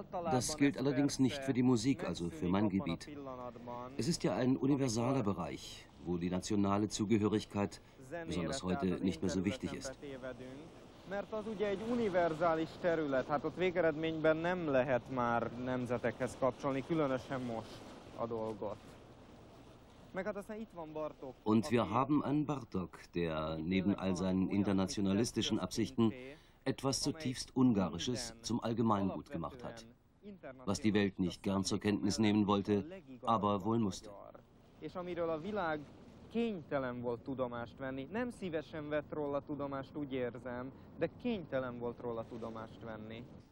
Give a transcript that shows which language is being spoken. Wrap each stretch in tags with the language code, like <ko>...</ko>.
<de>Das gilt allerdings nicht für die Musik, also für mein Gebiet. Es ist ja ein universaler Bereich, wo die nationale Zugehörigkeit besonders heute nicht mehr so wichtig ist.</de> <hu>Mert az ugye egy univerzális terület, hát ott végeredményben nem lehet már nemzetekhez kapcsolni, különösen most a dolgot. Meg hát aztán itt van Bartók.</hu> <de>Und wir haben einen Bartók, der neben all seinen internationalistischen Absichten etwas zutiefst Ungarisches zum Allgemeingut gemacht hat, was die Welt nicht gern zur Kenntnis nehmen wollte, aber wohl musste.</de> <hu>És amiről a világ kénytelen volt tudomást venni. Nem szívesen vett róla tudomást, úgy érzem, de kénytelen volt róla tudomást venni.</hu>